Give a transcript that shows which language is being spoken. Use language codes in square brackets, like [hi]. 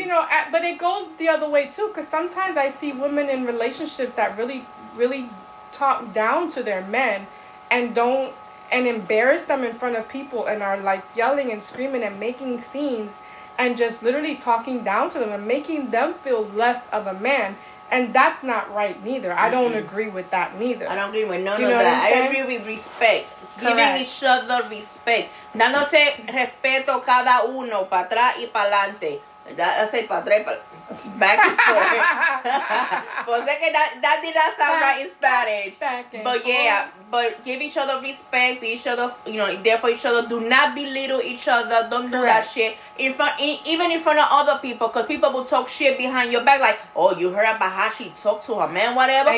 [en] You know, but it goes the other way, too. Because sometimes I see women in relationships that really, really talk down to their men and don't. And embarrass them in front of people and are like yelling and screaming and making scenes and just literally talking down to them and making them feel less of a man. And that's not right neither. Mm-hmm. I don't agree with that neither. I don't agree with none of that. I agree with respect. Correct. Giving each other respect. [es] Dándose respeto cada uno, para atrás y para adelante. [en] That's it, [es] para atrás y para [en] back and forth. [es] Pues es que [en] that did not sound right in Spanish. But yeah, but give each other respect, be each other, you know, there for each other. Do not belittle each other. Don't correct. Do that shit. Even in front of other people, because people will talk shit behind your back, like, oh, you heard about how she talked to her man, whatever.